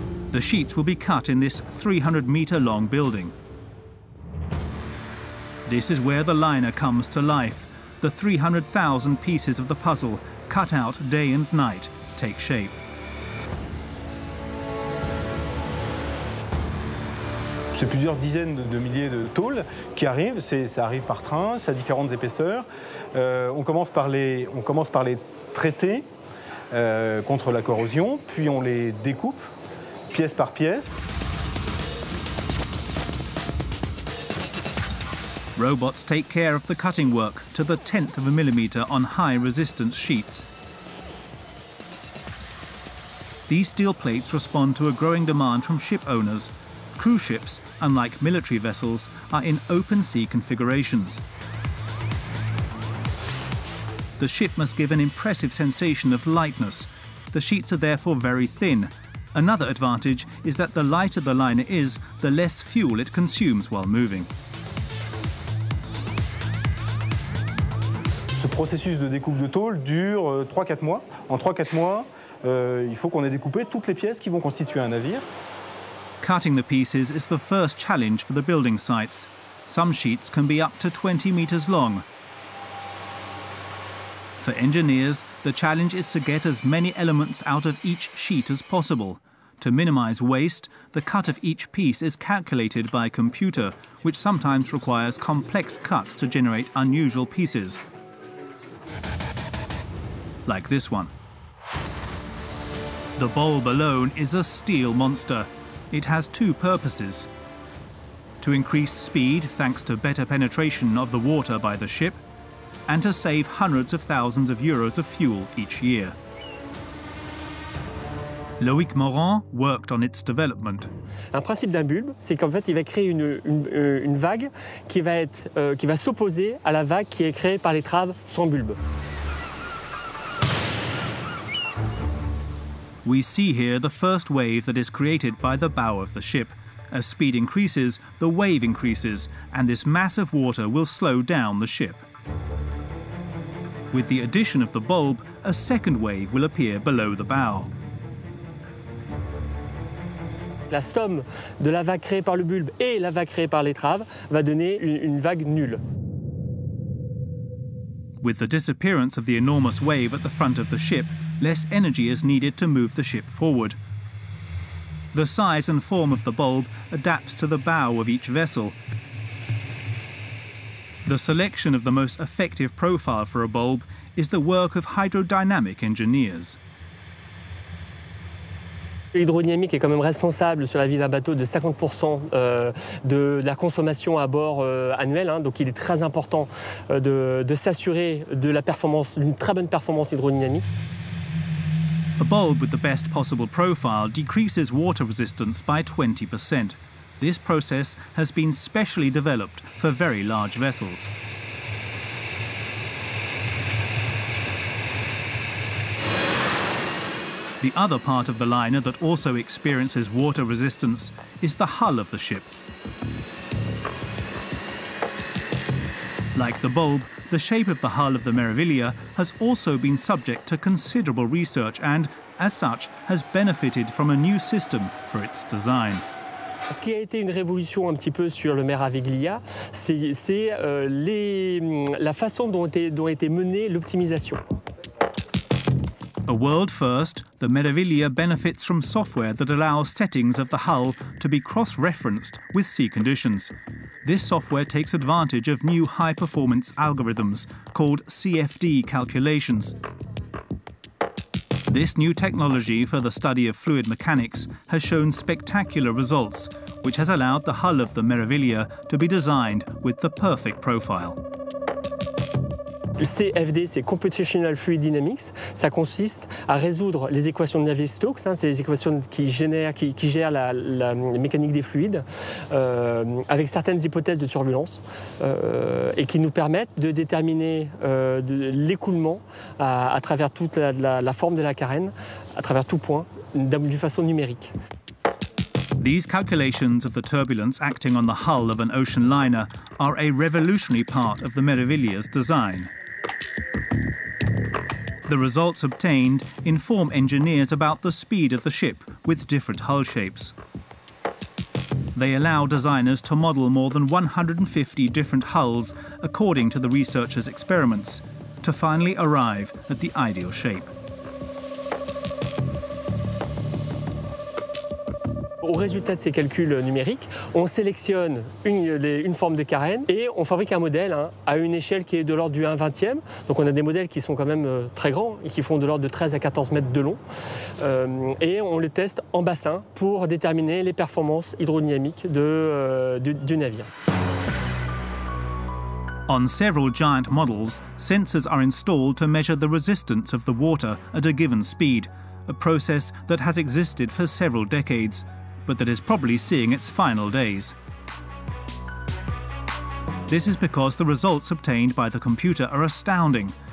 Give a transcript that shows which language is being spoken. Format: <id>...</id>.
<en>The sheets will be cut in this 300-meter-long building. This is where the liner comes to life. The 300,000 pieces of the puzzle, cut out day and night, take shape.</en> <fr>C'est plusieurs dizaines de milliers de tôles qui arrivent. Ça arrive par train, c'est à différentes épaisseurs. On commence par les traiter contre la corrosion, puis on les découpe pièce par pièce.</fr> <en>Robots take care of the cutting work to the tenth of a millimeter on high resistance sheets. These steel plates respond to a growing demand from ship owners. Cruise ships, unlike military vessels, are in open sea configurations. The ship must give an impressive sensation of lightness. The sheets are therefore very thin. Another advantage is that the lighter the liner is, the less fuel it consumes while moving.</en> <fr>Ce processus de découpe de tôle dure 3-4 mois. En 3-4 mois, il faut qu'on ait découpé toutes les pièces qui vont constituer un navire.</fr> <en>Cutting the pieces is the first challenge for the building sites. Some sheets can be up to 20 meters long. For engineers, the challenge is to get as many elements out of each sheet as possible. To minimize waste, the cut of each piece is calculated by a computer, which sometimes requires complex cuts to generate unusual pieces. Like this one. The bulb alone is a steel monster. It has two purposes. To increase speed, thanks to better penetration of the water by the ship, and to save hundreds of thousands of euros of fuel each year. Loïc Morand worked on its development.</en> <fr>Un principe d'un bulbe, c'est qu'en fait, il va créer une vague qui va s'opposer à la vague qui est créée par l'étrave sans bulbe.</fr> <en>We see here the first wave that is created by the bow of the ship. As speed increases, the wave increases, and this mass of water will slow down the ship. With the addition of the bulb, a second wave will appear below the bow.</en> <fr>La somme de la vague créée par le bulbe et la vague créée par l'étrave va donner une vague nulle.</fr> <en>With the disappearance of the enormous wave at the front of the ship, less energy is needed to move the ship forward. The size and form of the bulb adapts to the bow of each vessel. The selection of the most effective profile for a bulb is the work of hydrodynamic engineers.</en> <fr>L'hydrodynamique est quand même responsable sur la vie d'un bateau de 50% de la consommation à bord annuelle. Donc il est très important de s'assurer de la performance, d'une très bonne performance hydrodynamique.</fr> <en>A bulb with the best possible profile decreases water resistance by 20%. This process has been specially developed for very large vessels. The other part of the liner that also experiences water resistance is the hull of the ship. Like the bulb, the shape of the hull of the Meraviglia has also been subject to considerable research and, as such, has benefited from a new system for its design.</en> <fr>Ce qui a été une révolution un petit peu sur le Meraviglia, c'est la façon dont a été menée l'optimisation.</fr> <en>A world first, the Meraviglia benefits from software that allows settings of the hull to be cross-referenced with sea conditions. This software takes advantage of new high-performance algorithms called CFD calculations. This new technology for the study of fluid mechanics has shown spectacular results, which has allowed the hull of the Meraviglia to be designed with the perfect profile.</en> <fr>CFD, c'est Computational Fluid Dynamics. Ça consiste à résoudre les équations de Navier-Stokes, hein, c'est les équations qui gèrent la mécanique des fluides, avec certaines hypothèses de turbulence, et qui nous permettent de déterminer l'écoulement à travers toute la forme de la carène, à travers tout point, d'une façon numérique.</fr> <en>These calculations of the turbulence acting on the hull of an ocean liner are a revolutionary part of the Meraviglia's design. The results obtained inform engineers about the speed of the ship with different hull shapes. They allow designers to model more than 150 different hulls according to the researchers' experiments to finally arrive at the ideal shape.</en> <fr>Au résultat de ces calculs numériques, on sélectionne une forme de carène et on fabrique un modèle, hein, à une échelle qui est de l'ordre du 1/20. Donc on a des modèles qui sont quand même très grands et qui font de l'ordre de 13 à 14 mètres de long. Et on les teste en bassin pour déterminer les performances hydrodynamiques du navire.</fr> <en>On several giant models, sensors are installed to measure the resistance of the water at a given speed, a process that has existed for several decades, but that is probably seeing its final days. This is because the results obtained by the computer are astounding.</en>